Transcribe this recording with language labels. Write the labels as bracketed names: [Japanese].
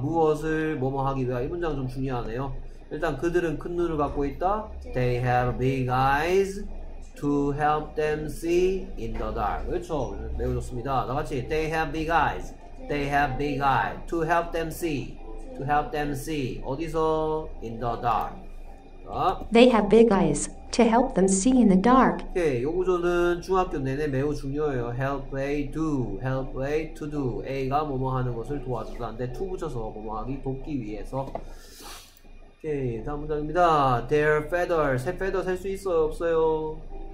[Korean] 무엇을 뭐뭐 하기 위하여. 이 문장 좀 중요하네요. 일단 그들은 큰 눈을 갖고 있다. [English] They have big eyes to help them see in the dark. [Korean] 그렇죠? 매우 좋습니다. 다 같이 [English] They have big eyes. They have big eyes to help them see. To help them see. [Korean] 어디서? [English] In the dark. [Korean] 자. [English] They have big eyes to help them see in the dark. [Korean] 오케이. 요 구조는 중학교 내내 매우 중요해요. [English] Help way to do. [Korean] A가 뭐뭐 하는 것을 도와주다는데 to 붙여서 뭐뭐 하기 돕기 위해서. 오케이. 다음 문장입니다. [English] Their feather. [Korean] 새 feather 셀 수 있어요? 없어요?